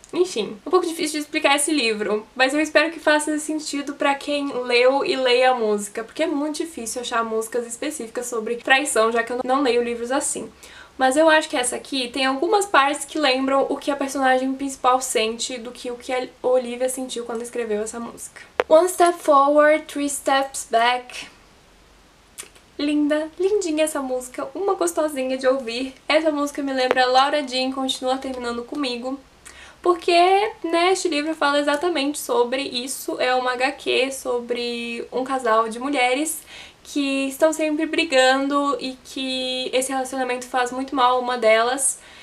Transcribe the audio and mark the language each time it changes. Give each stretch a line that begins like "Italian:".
Portuguese: Enfim, um pouco difícil de explicar esse livro, mas eu espero que faça sentido para quem leu e leia a música, porque é muito difícil achar músicas específicas sobre traição, já que eu não leio livros assim. Mas eu acho que essa aqui tem algumas partes que lembram o que a personagem principal sente do que o que a Olivia sentiu quando escreveu essa música.
English: One step forward, three steps back.
Portuguese: Linda, lindinha essa música, uma gostosinha de ouvir. Essa música me lembra Laura Jean, Continua Terminando Comigo. Porque, né, este livro fala exatamente sobre isso. É uma HQ sobre um casal de mulheres que estão sempre brigando e que esse relacionamento faz muito mal a uma delas.